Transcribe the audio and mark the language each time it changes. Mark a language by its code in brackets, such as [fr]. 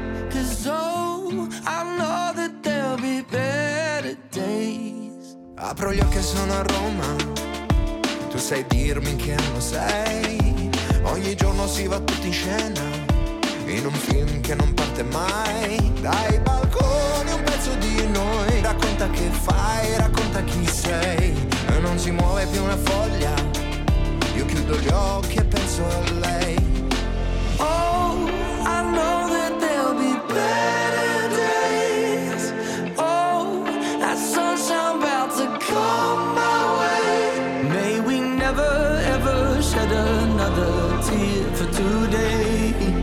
[en] 'Cause oh, I know that there'll be better days. [it] Apro gli occhi e sono a Roma. Tu sai dirmi in che anno sei. Ogni giorno si va tutti in scena in un film che non parte mai. Dai balconi un pezzo di noi. Racconta che fai, racconta chi sei. E non si muove più una foglia. Io chiudo chiudo gli occhi e penso a lei. [en] Oh, I know that there'll be better days. Oh, that sunshine about to come my way. May we never ever shed another tear for today.